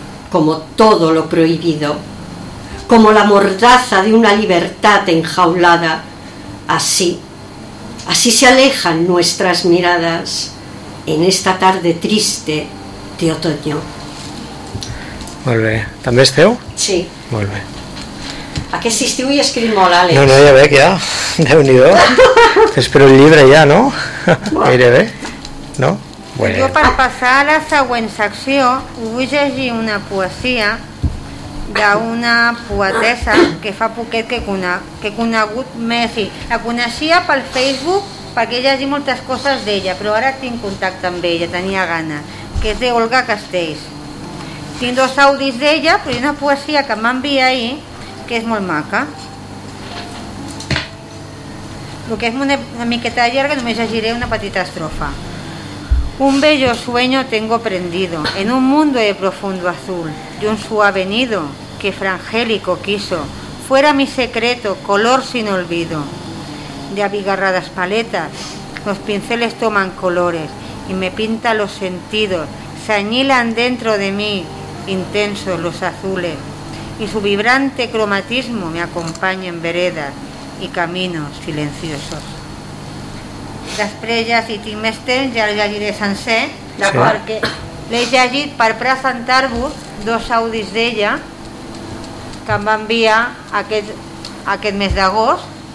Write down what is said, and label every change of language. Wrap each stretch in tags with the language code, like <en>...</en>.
<es>Como todo lo prohibido, como la mordaza de una libertad enjaulada, así, así se alejan nuestras miradas en esta tarde triste de otoño.</es> <ca>Molt bé. També és teu? Sí. Molt bé. Aquest estiu hi escriu molt, Àlex. No, no, ja veig, ja. Déu-n'hi-do. T'espero el llibre ja, no? Bueno. Mira bé, no? Bueno. Jo per passar a la següent secció vull llegir una poesia d'una poetessa que fa poquet que he conegut més. Sí, la coneixia pel Facebook perquè he llegit moltes coses d'ella, però ara tinc contacte amb ella, tenia gana, que és d'Olga Castells. Tinc dos audis d'ella, però hi ha una poesia que m'envia ahir que és molt maca. El que és una miqueta llarga, només llegiré una petita estrofa.</ca> <es>Un bello sueño tengo prendido en un mundo de profundo azul y un suave nido que frangélico quiso fuera mi secreto color sin olvido. De abigarradas paletas los pinceles toman colores y me pinta los sentidos, se añilan dentro de mí intensos los azules y su vibrante cromatismo me acompaña en veredas y caminos silenciosos.</es> <ca>Després ja, si tinc més temps, ja el llegiré sencer, sí. Perquè l'he llegit per presentar-vos dos audis d'ella que em va enviar aquest, aquest mes d'agost.</ca>